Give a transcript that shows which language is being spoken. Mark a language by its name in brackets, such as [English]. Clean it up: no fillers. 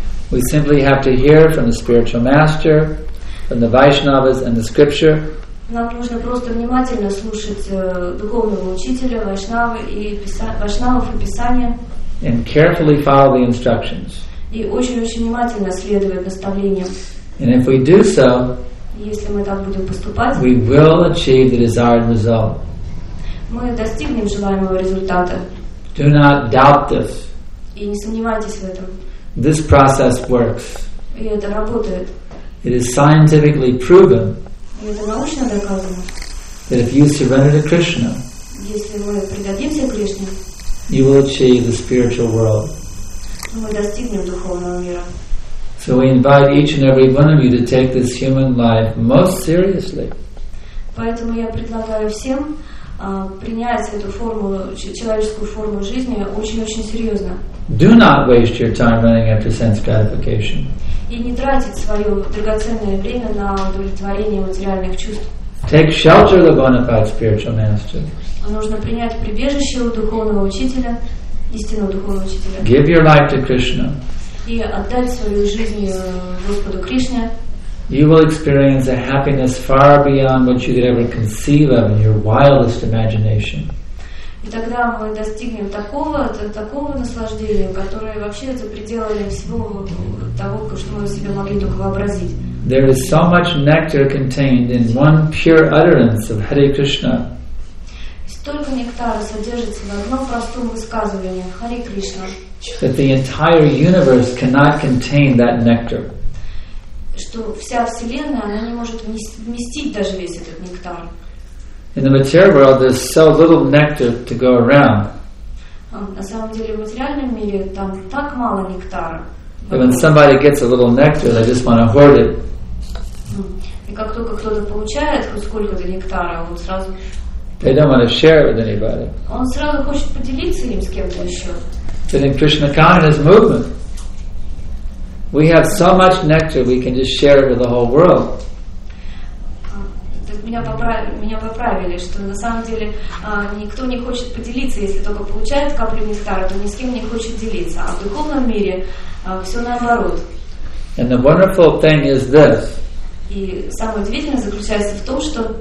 [English] We simply have to hear from the spiritual master, from the Vaishnavas and the scripture. [Russian] Нам нужно просто внимательно слушать духовного учителя, Вайшнавов и Писания. [English] And carefully follow the instructions. [Russian] И очень-очень внимательно следовать наставлениям. [English] And if we do so, [Russian] если мы так будем поступать, [English] we will achieve the desired result. [Russian] Мы достигнем желаемого результата. [English] Do not doubt this. [Russian] И не сомневайтесь в этом. [English] This process works. [Russian] И это работает. [English] It is scientifically proven. [Russian] И это научно доказано. [English] That if you surrender to Krishna, [Russian] если мы предадимся Кришне, [English] you will achieve the spiritual world. [Russian] Мы достигнем духовного мира. [English] So we invite each and every one of you to take this human life most seriously. [Russian] Поэтому я предлагаю всем принять эту форму, человеческую форму жизни очень-очень серьезно. [English] Do not waste your time running after sense gratification. [Russian] И не тратить свое драгоценное время на удовлетворение материальных чувств. [English] Take shelter of the bona fide spiritual master. [Russian] Нужно принять прибежище у духовного учителя, истинного духовного учителя. [English] Give your life to Krishna. [Russian] и отдать свою жизнь Господу Кришне, [English] you will experience a happiness far beyond what you could ever conceive of in your wildest imagination. [Russian] И тогда мы достигнем такого наслаждения, которое вообще за пределами всего того, что мы себе могли только вообразить. [English] There is so much nectar contained in one pure utterance of Hare Krishna. [Russian] Столько нектара содержится в одном простом высказывании Hare Krishna. [English] That the entire universe cannot contain that nectar. [Russian] Что вся вселенная, она не может вместить даже весь этот нектар. [English] In the material world, there's so little nectar to go around. [Russian] На самом деле, в материальном мире там так мало нектара. [English] But when somebody gets a little nectar, they just want to hoard it. [Russian] И как только кто-то получает хоть сколько-то нектара, он сразу. [English] They don't want to share it with anybody. [Russian] Он сразу хочет поделиться им с кем-то еще. [English] But in Krishna consciousness movement, we have so much nectar we can just share it with the whole world. [Russian] Меня поправили, что на самом деле никто не хочет поделиться, если только получает каплю нектара, то ни с кем не хочет делиться. А в духовном мире все наоборот. [English] And the wonderful thing is this. [Russian] И самое удивительное заключается в том, что